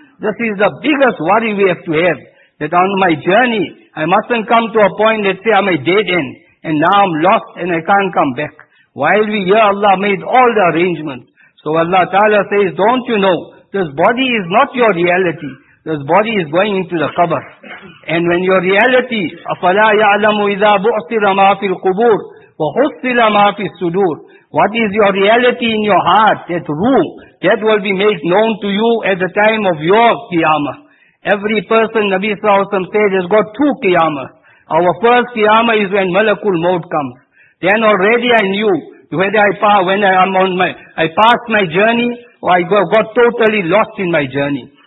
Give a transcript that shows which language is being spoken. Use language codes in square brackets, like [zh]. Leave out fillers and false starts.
[en] This is the biggest worry we have to have. That on my journey, I mustn't come to a point that say I'm a dead end, and now I'm lost and I can't come back. While we hear Allah made all the arrangements. So Allah Ta'ala says, don't you know, this body is not your reality. This body is going into the qabr. And when your reality, [ar] أَفَلَا يَعْلَمُ إِذَا بُعْثِرَ مَا فِي الْقُبُورِ وَحُصِّلَ مَا فِي الصُّدُورِ. [en] What is your reality in your heart, that ruh, that will be made known to you at the time of your qiyamah. Every person, Nabi Sallallahu Alaihi Wasallam said, has got two qiyamah. Our first qiyamah is when Malakul Maud comes. Then already I knew, whether I passed my journey, or I got totally lost in my journey.